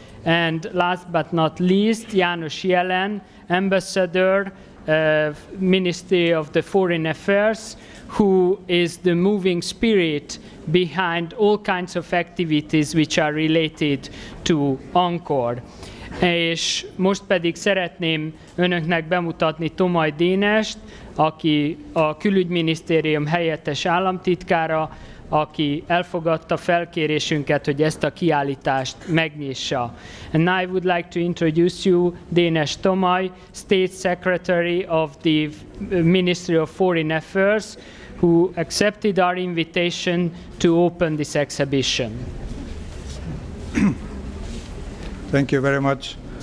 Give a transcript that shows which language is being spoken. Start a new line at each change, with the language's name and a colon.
English: And last but not least, János Jelen, ambassador, Ministry of the Foreign Affairs, who is the moving spirit behind all kinds of activities which are related to Ankor.
Hungarian: És most pedig szeretném önöknek bemutatni Tomaj Dénest, aki a Külügyminisztérium helyettes államtitkára, aki elfogadta felkérésünket, hogy ezt a kiállítást megnyissa.
English: And I would like to introduce you Dénes Tomaj, State Secretary of the Ministry of Foreign Affairs, who accepted our invitation to open this exhibition. Thank you very much.